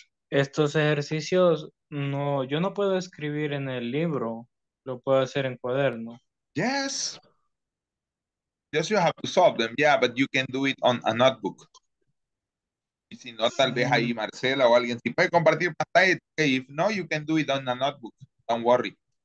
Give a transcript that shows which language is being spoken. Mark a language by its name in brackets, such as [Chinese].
[Spanish] Estos ejercicios, no, yo no puedo escribir en el libro, lo puedo hacer en cuaderno. [English] Yes. Yes, you have to solve them, yeah, but you can do it on a notebook. [Spanish] Y si no, tal vez ahí Marcela o alguien, si puede compartir pantalla, okay. [English] If no, you can do it on a notebook, don't worry.